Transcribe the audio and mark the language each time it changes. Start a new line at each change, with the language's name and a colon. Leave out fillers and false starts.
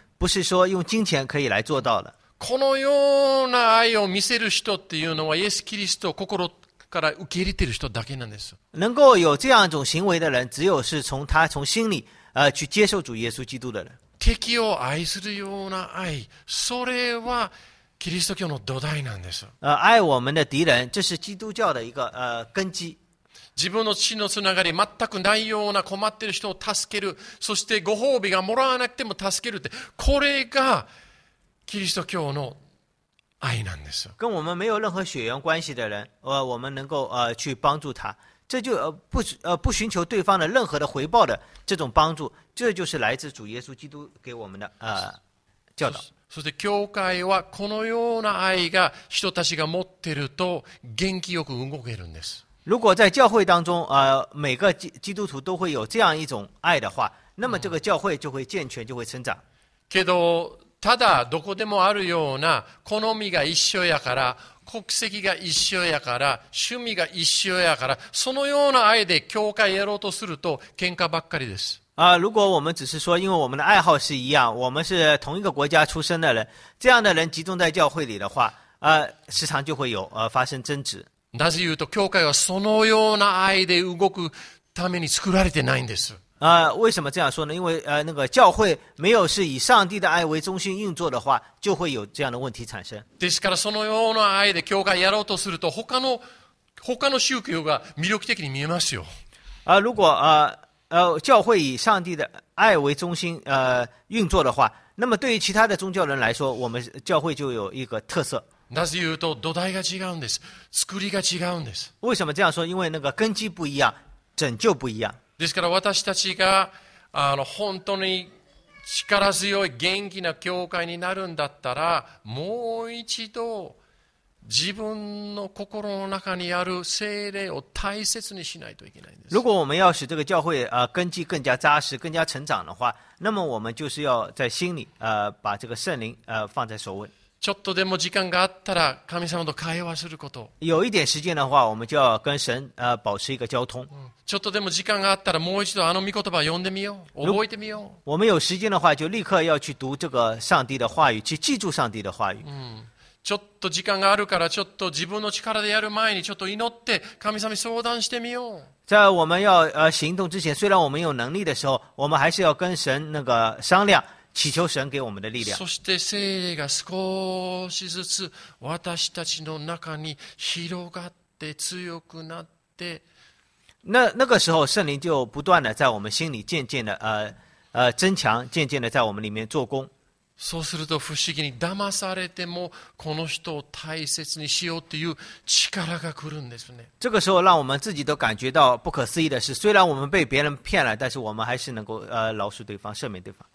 Chinese: 不是说用金钱可以来做到的。
Japanese: このような愛を見せる人っていうのはイエス・キリストを心から受け入れてる人だけなんです。
Chinese: 能够有这样一种行为的人，只有是从他从心里。去接受主耶稣基督的人。
Japanese: 敵を愛するような愛、それはキリスト教の土台なんです。
Chinese: 愛我们的敌人、这是基督教的一个根基。
Japanese: 自分の血のつながり全くないような困っている人を助ける、そしてご褒美がもらわなくても助けるって、これがキリスト教の愛なんです。
Chinese: 跟我们没有任何血缘关系的人、我们能够去帮助他。这就不寻求对方的任何的回报的这种帮助，这就是来自主耶稣基督给我们的教导。
Japanese: そして教会はこのような愛が人たちが持っていると元気よく動けるんです。
Chinese: 如果在教会当中、每个基督徒都会有这样一种爱的话，那么这个教会就会健全，就会成长。
Japanese: けど、ただどこでもあるような好みが一緒やから、国籍が一緒やから、趣味が一緒やから、そのような愛で教会やろうとすると喧嘩ばっかりです。
Chinese: 如果我们只是说因为我们的爱好是一样，我们是同一个国家出生的人，这样的人集中在教会里的话，时常就会有发生争执。
Japanese: なぜ言うと教会はそのような愛で動くために作られてないんです。
Chinese: 为什么这样说呢？因为那个教会没有是以上帝的爱为中心运作的话，就会有这样的问题产生。
Japanese: ですからそのような愛で教会やろうとすると他の宗教が魅力的に見えますよ。
Chinese: 如果教会以上帝的爱为中心运作的话，那么对于其他的宗教人来说，我们教会就有一个特色。
Japanese: なぜ言うと土台が違うんです。作りが違うんです。
Chinese: 为什么这样说？因为那个根基不一样，拯救不一样。
Japanese: ですから私たちが本当に力強い元気な教会になるんだったら、もう一度自分の心の中にある聖霊を大切にしないといけないんです。
Chinese: 如果我们要使这个教会根基更加扎实、更加成长的话，那么我们就是要在心里把这个圣灵放在首位。
Japanese: ちょっとでも時間があったら神様と会話すること。
Chinese: 有一点时间的话，我们就要跟神保持一个交通。
Japanese: ちょっとでも時間があったらもう一度あの御言葉読んでみよう、覚えてみよう。
Chinese: 我们有时间的话，就立刻要去读这个上帝的话语，去记住上帝的话语。
Japanese: ちょっと時間があるからちょっと自分の力でやる前にちょっと祈って神様に相談してみよう。
Chinese: 在我们要行动之前，虽然我们有能力的时候，我们还是要跟神那个商量。祈求神给我们的力量。
Japanese: そして聖霊が少しずつ私たちの中に広がって強くなって、
Chinese: 那个时候圣灵就不断的在我们心里渐渐的增强，渐渐的在我们里面做工。
Japanese: そうすると不思議に騙されてもこの人を大切にしようっていう力が来るんですね。
Chinese: 这个时候让我们自己都感觉到不可思议的是，虽然我们被别人骗了，但是我们还是能够饶恕对方、赦免对方。